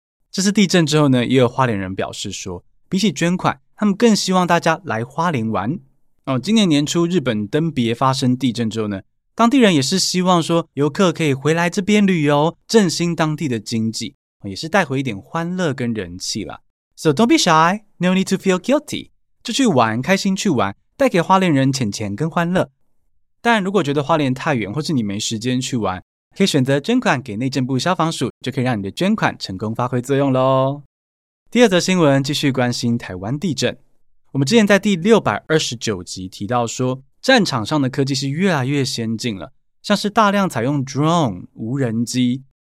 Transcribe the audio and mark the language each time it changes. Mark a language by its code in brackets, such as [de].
[zh] 这次地震之后呢，也有花莲人表示说，比起捐款，他们更希望大家来花莲玩。今年年初日本登别发生地震之后呢，当地人也是希望说游客可以回来这边旅游，振兴当地的经济，也是带回一点欢乐跟人气啦。 [en] So don't be shy, no need to feel guilty. [zh] 就去玩，开心去玩，带给花莲人钱钱跟欢乐。但如果觉得花莲太远，或是你没时间去玩，可以选择捐款给内政部消防署，就可以让你的捐款成功发挥作用咯。第二则新闻继续关心台湾地震。我们之前在第629集提到说，战场上的科技是越来越先进了，像是大量采用 drone 无人机。